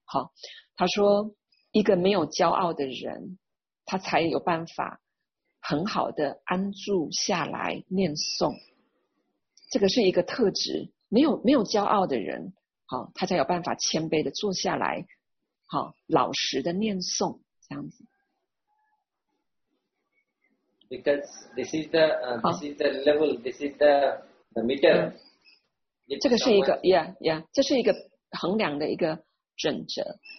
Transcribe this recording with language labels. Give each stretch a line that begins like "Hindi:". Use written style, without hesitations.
Chinese: 好，他说一个没有骄傲的人他才有办法很好的安住下来念诵。这个是一个特质，没有骄傲的人好他才有办法谦卑的坐下来好老实的念诵这样子。
English: Because this is the this is the level, this is the meter. Yeah.
Chinese: 这个是一个 ，yeah， 这是一个衡量的一个准则。